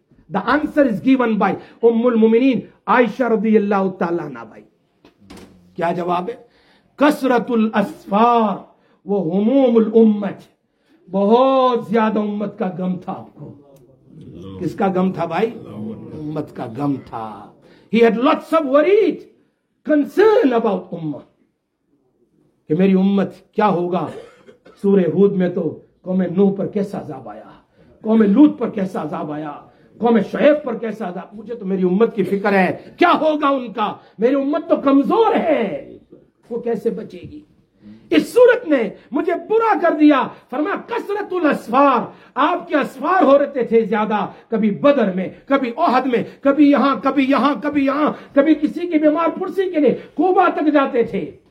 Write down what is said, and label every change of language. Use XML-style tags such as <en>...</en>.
<en>The answer is given by ام المومنین Aisha رضی اللہ تعالیٰ عنہا.</en> <ur>بھائی کیا جواب ہے؟</ur> <ar>کثرت الاسفار و هموم الامت,</ar> <ur>بہت زیادہ امت کا غم تھا آپ کو. کس کا غم تھا بھائی؟ امت کا غم تھا.</ur> <en>He had lots of worries, concern about امت,</en> <ur>کہ میری امت کیا ہوگا. سورہ ہود میں تو قوم نوح پر کیسا عذاب آیا, قوم لوط پر کیسا عذاب آیا, قوم شعیب پر کیسا عذاب. مجھے تو میری امت کی فکر ہے, کیا ہوگا ان کا, میری امت تو کمزور ہے, وہ کیسے بچے گی. اس صورت نے مجھے برا کر دیا. فرمایا کثرت الاسفار, آپ کے اسفار ہو رہتے تھے زیادہ, کبھی بدر میں کبھی احد میں کبھی یہاں کبھی یہاں کبھی یہاں, کبھی کسی کی بیمار پرسی کے لیے کوبہ تک جاتے تھے.</ur>